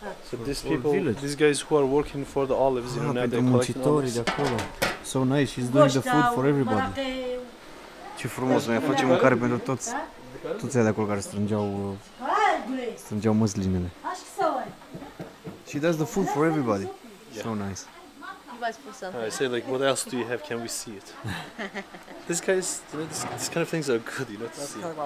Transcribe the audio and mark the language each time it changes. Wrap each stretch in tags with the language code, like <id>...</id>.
<en>So these people, these guys who are working for the olives, you know, they're collecting olives. So nice, he's doing the food for everybody.</en> <ro>Ce frumos, noi facem mâncare pentru toți. Toți aia de acolo care strângeau măslinele.</ro> <en>She does the food for everybody. Yeah. So nice. I say like, what else do you have? Can we see it? These guys, you know, this kind of things are good, you know, to see.</en>